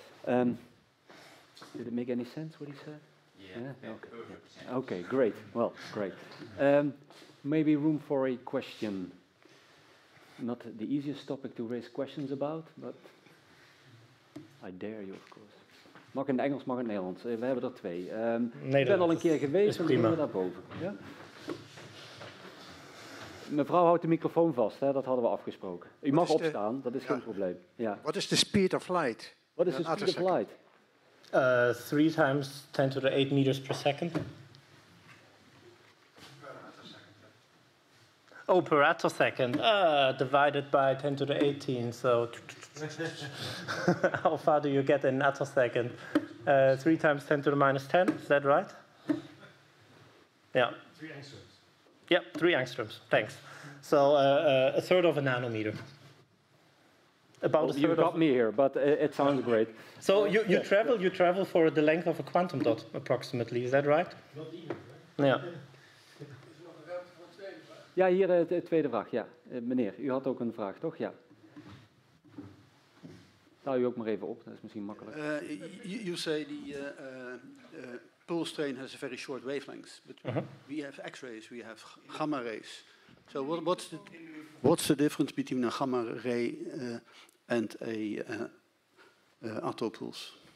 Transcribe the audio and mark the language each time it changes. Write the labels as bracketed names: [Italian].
[English] Did it make any sense what he said? Yeah. Okay, great. Well, great. Maybe room for a question. Not the easiest topic to raise questions about, but I dare you, of course. [Dutch] Mag in Engels, mag in Nederlands. We hebben er twee. Ik ben al een keer geweest, maar we daarboven. Ja? Mevrouw houdt de microfoon vast, hè? Dat hadden we afgesproken. U mag opstaan, dat is geen probleem. Ja. [English] What is the speed of light? What is the speed of light? 3 times 10 to the 8 meters per second. Oh, per attosecond, divided by 10 to the 18, so how far do you get in attosecond? 3 times 10 to the minus 10, is that right? Yeah. 3 angstroms. Yep, 3 angstroms, thanks. So a third of a nanometer. About well, a third. You got me here, but it sounds great. So you travel for the length of a quantum dot, approximately, is that right? Not even, right? Yeah. [Dutch] Ja, hier de tweede vraag. Ja, meneer, u had ook een vraag, toch? Ja. Daar u ook maar even op. Dat is misschien makkelijk. [English] You say the pulse train has a very short wavelength, but we have X-rays, we have gamma rays. So what's the difference between a gamma ray and a autopulse?